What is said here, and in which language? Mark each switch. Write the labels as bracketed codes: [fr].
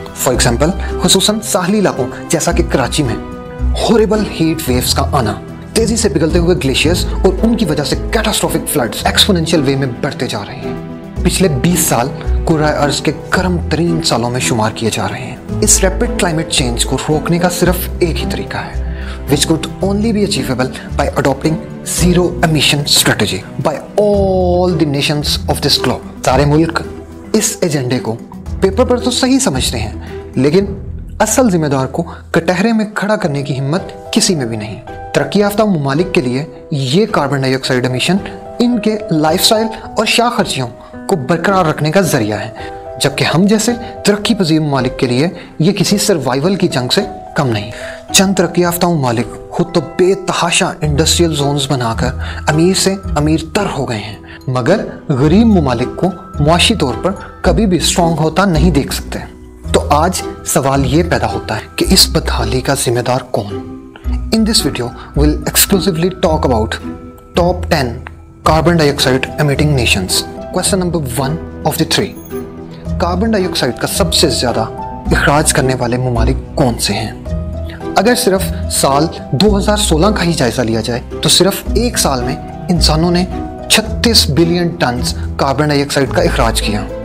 [en] for example, [ur] خصوصاً ساحلی علاقوں جیسا کہ کراچی میں ہوریبل ہیٹ ویوس کا آنا, تیزی سے پگھلتے ہوئے گلیشیئرس اور ان کی وجہ سے کیٹاسٹرافک فلڈز ایکسپونینشیل وے میں بڑھتے جا رہے ہیں. پچھلے 20 سال کرہ ارض کے گرم ترین سالوں میں شمار کیے جا رہے ہیں. اس ریپڈ کلائمیٹ چینج کو روکنے کا صرف ایک ہی طریقہ ہے, [en] which could only be achievable by adopting zero emission strategy by all the nations of this globe. [ur] سارے ملک اس ایجنڈے کو پیپر پر تو صحیح سمجھتے ہیں, لیکن اصل ذمہ دار کو کٹہرے میں کھڑا کرنے کی ہمت کسی میں بھی نہیں. ترقی یافتہ ممالک کے لیے یہ کاربن ڈائی آکسائڈ امیشن ان کے لائف سٹائل اور شاہ خرچیوں کو برقرار رکھنے کا ذریعہ ہے, جبکہ ہم جیسے ترقی پذیر ممالک کے لیے یہ کسی سروائیول کی جنگ سے کم نہیں. چند ترقی یافتہ ممالک خود تو بے تحاشا انڈسٹریل زونز بنا کر امیر سے امیر تر ہو گئے ہیں, مگر غریب ممالک کو معاشی طور پر کبھی بھی اسٹرانگ ہوتا نہیں دیکھ سکتے. تو آج سوال یہ پیدا ہوتا ہے کہ اس بدحالی کا ذمہ دار کون. [en] In this video will exclusively talk about top 10 carbon dye oxide emitting nations. Question number 1 of the 3, [ur] carbon dye oxide کا سب سے زیادہ اخراج کرنے والے ممالک کون سے ہیں. اگر صرف سال 2016 کا ہی جائزہ لیا جائے تو صرف ایک سال میں انسانوں نے 36 بلین ٹنز کاربن ڈائی آکسائڈ کا اخراج کیا.